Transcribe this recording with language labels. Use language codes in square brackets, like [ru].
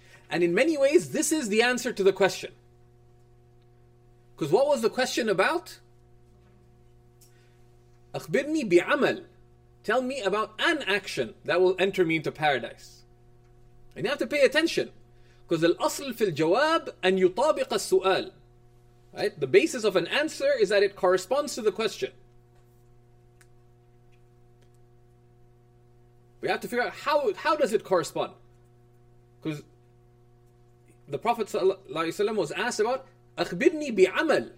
[en] And in many ways, this is the answer to the question. Because what was the question about? [ar] أخبرني بعمل. [en] Tell me about an action that will enter me into paradise. And you have to pay attention. Because [ar] الأصل في الجواب أن يطابق السؤال. [en] Right? The basis of an answer is that it corresponds to the question. We have to figure out how does it correspond? Because the Prophet ﷺ was asked about [ar] أخبرني بعمل.